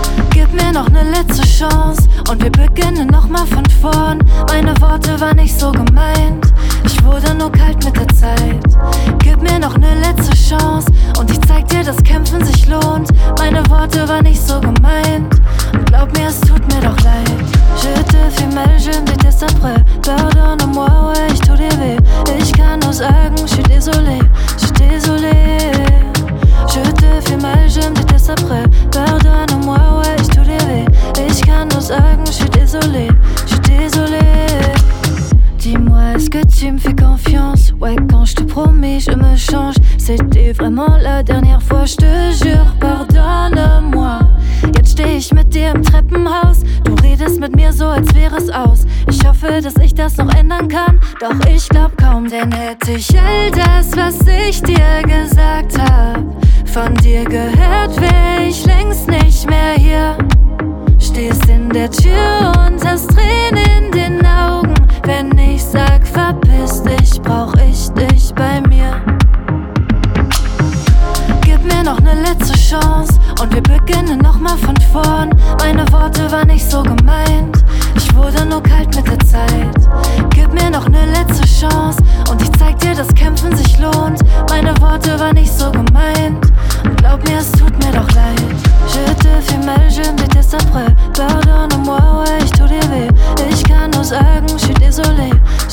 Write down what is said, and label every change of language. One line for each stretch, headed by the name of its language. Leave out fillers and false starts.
German: Gib mir noch ne letzte Chance und wir beginnen nochmal von vorn. Meine Worte waren nicht so gemeint, ich wurde nur kalt mit der Zeit. Gib mir noch ne letzte Chance und ich zeig dir, dass Kämpfen sich lohnt. Meine Worte waren nicht so gemeint und glaub mir, es tut mir doch leid.
French: Je te fais mal, je me déteste après. Pardonne-moi, ouais,
German: ich tu dir weh. Ich kann nur sagen,
French: je suis désolé, je suis désolé. Je te fais mal, je me déteste après. Pardonne-moi, ouais,
German: ich tu dir weh. Ich kann nur sagen,
French: je suis désolé, je suis désolé. Dis-moi, est-ce que tu me fais confiance? Ouais, quand je te promets, je me change. C'était vraiment la dernière fois, je te jure, pardonne-moi.
German: Jetzt steh ich mit dir im Treppenhaus. Du redest mit mir so, als wär's aus. Ich hoffe, dass ich das noch ändern kann. Doch ich glaub kaum, denn hätte ich all das, was ich dir gesagt hab, von dir gehört, wär ich längst nicht mehr hier. Stehst in der Tür und hast Tränen in den Augen, wenn ich sag, verpiss dich, brauch ich dich bei mir. Gib mir noch ne letzte Chance und wir beginnen nochmal von vorn. Meine Worte waren nicht so gemeint, ich wurde nur kalt mit der Zeit. Gib mir noch ne letzte Chance und ich zeig dir, dass Kämpfen sich lohnt. Meine Worte waren nicht so gemeint und glaub mir, es tut mir doch leid.
French: Je te fais mal, je me déteste après. Pardonne-moi, ouais,
German: ich tu dir weh. Ich kann nur sagen,
French: je suis désolé, je